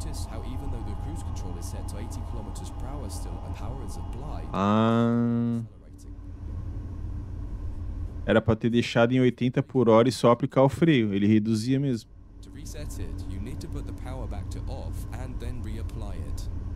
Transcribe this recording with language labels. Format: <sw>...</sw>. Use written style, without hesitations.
<en>notice how even though the cruise control is set to 80 kilometers per hour still, and power is applied.</en> <pt>Era para ter deixado em 80 por hora e só aplicar o freio. Ele reduzia mesmo.</pt> <en>To reset it, you need to put the power back to off and then reapply it.</en>